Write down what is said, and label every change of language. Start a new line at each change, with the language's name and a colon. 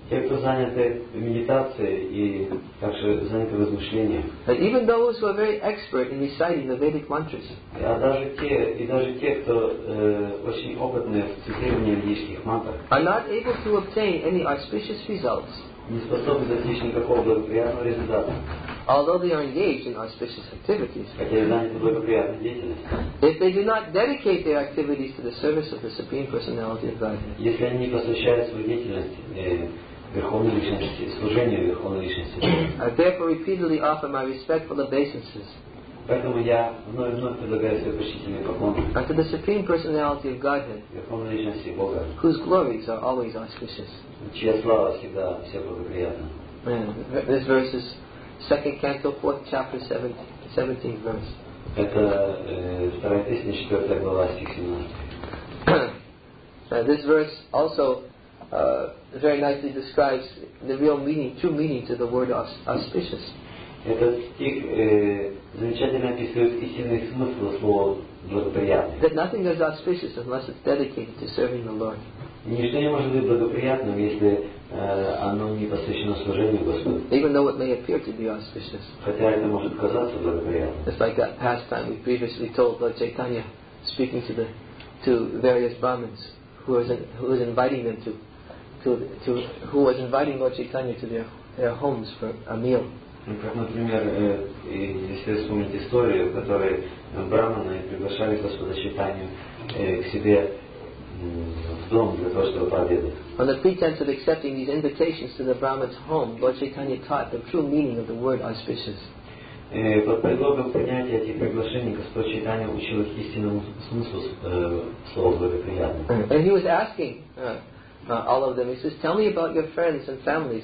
English: And even those who are very expert in reciting the Vedic mantras. Are not able to obtain any auspicious results.
Russian: не способны достичь никакого благоприятного результата.
English: Although they are engaged in auspicious activities, if they do not dedicate their activities to the service of the Supreme Personality of Godhead, I therefore repeatedly offer my respectful obeisances unto the Supreme Personality of Godhead, whose glories are always auspicious. This verse is 2nd Canto, 4th chapter, 17th verse.
Russian: Это вторая песня, 4 глава, стих 17.
English: This verse also very nicely describes the real meaning, true meaning to the word auspicious.
Russian: Этот стих замечательно описывает истинный смысл слова благоприятный.
English: That nothing is auspicious unless it's dedicated to serving the Lord.
Russian: Ничто не может быть благоприятным, если оно не посвящено служению Господу.
English: Even though it may appear to be auspicious.
Russian: Хотя это может казаться благоприятным.
English: It's like that pastime we previously told Lord Chaitanya speaking to the various Brahmins who was inviting Lord Chaitanya to their homes for a meal.
Russian: Как, например, если вспомнить историю, в которой Брахманы приглашали Господа Чайтанью к себе
English: on the pretense of accepting these invitations to the Brahmin's home, Lord Chaitanya taught the true meaning of the word auspicious. And he was asking all of them, he says, tell me about your friends and families.